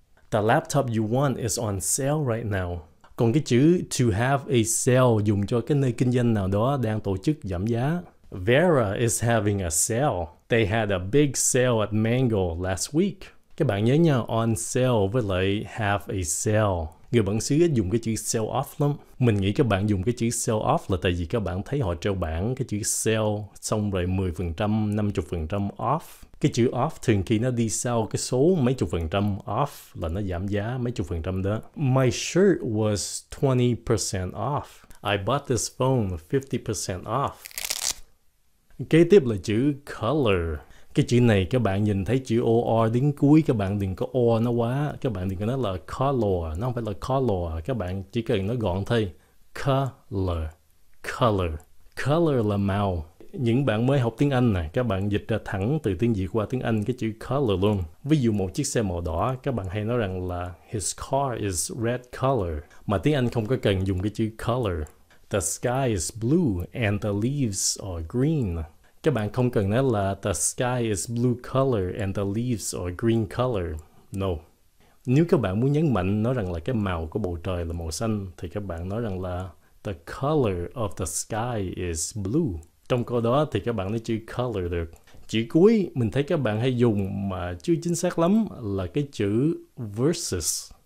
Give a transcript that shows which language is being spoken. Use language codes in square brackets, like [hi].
[en] The laptop you want is on sale right now. [vi] Còn cái chữ to have a sale dùng cho cái nơi kinh doanh nào đó đang tổ chức giảm giá. [en] Vera is having a sale. They had a big sale at Mango last week. [vi] Các bạn nhớ nha, on sale với lại have a sale. Người bản xứ ít dùng cái chữ sell off lắm. Mình nghĩ các bạn dùng cái chữ sell off là tại vì các bạn thấy họ treo bảng cái chữ sell xong rồi 10%, 50% off. Cái chữ off thường khi nó đi sau cái số mấy chục phần trăm off là nó giảm giá mấy chục phần trăm đó. [en] My shirt was 20% off. I bought this phone 50% off. [vi] Kế tiếp là chữ color. Cái chữ này các bạn nhìn thấy chữ OR đứng cuối, các bạn đừng có O nó quá. Các bạn đừng có nói là color, nó không phải là color. Các bạn chỉ cần nói gọn thôi. color, color. Color là màu. Những bạn mới học tiếng Anh nè, các bạn dịch ra thẳng từ tiếng Việt qua tiếng Anh cái chữ color luôn. Ví dụ một chiếc xe màu đỏ, các bạn hay nói rằng là [en] his car is red color. [vi] Mà tiếng Anh không có cần dùng cái chữ color. [en] The sky is blue and the leaves are green. [vi] Các bạn không cần nói là [en] the sky is blue color and the leaves are green color. No. [vi] Nếu các bạn muốn nhấn mạnh nói rằng là cái màu của bầu trời là màu xanh, thì các bạn nói rằng là [en] the color of the sky is blue. [vi] Trong câu đó thì các bạn nói chữ color được. Chữ cuối mình thấy các bạn hay dùng mà chưa chính xác lắm là cái chữ versus.